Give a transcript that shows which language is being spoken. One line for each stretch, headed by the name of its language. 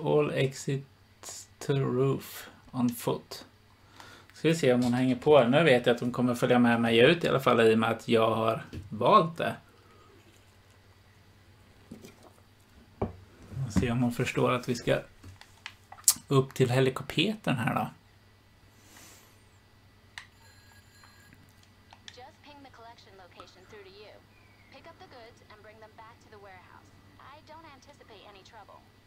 English: All exits to roof on foot.
Swedish: Ska vi se om hon hänger på. Nu vet jag att hon kommer följa med mig ut i alla fall i och med att jag har valt det. Vi får se om hon förstår att vi ska upp till helikoptern här då.
English: Just ping the collection location through to you. Pick up the goods and bring them back to the warehouse. I don't anticipate any trouble.